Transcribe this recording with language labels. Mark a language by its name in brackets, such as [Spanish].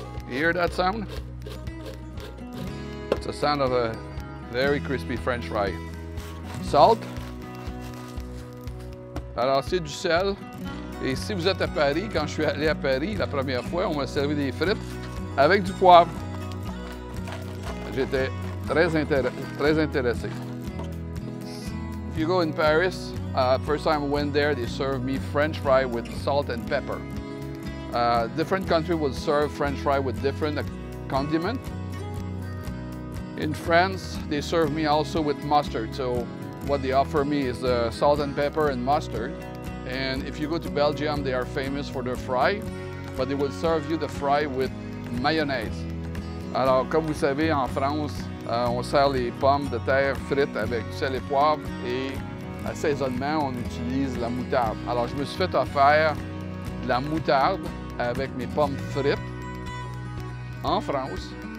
[English] Hear that sound? It's the sound of a very crispy French fry. Salt. [French] Alors, c'est du sel. Et si vous êtes à Paris, quand je suis allé à Paris la première fois, on m'a servi des frites avec du poivre. J'étais très intéressé. [English] If you go in Paris, first time I went there, they served me French fry with salt and pepper. Different country will serve French fry with different condiments. In France, they serve me also with mustard. So what they offer me is salt and pepper and mustard. And if you go to Belgium, they are famous for their fry, but they will serve you the fry with mayonnaise. [French] Alors, comme vous savez, en France, on sert les pommes de terre frites avec sel et poivre et assaisonnement, on utilise la moutarde. Alors, je me suis fait offrir de la moutarde avec mes pommes frites en France.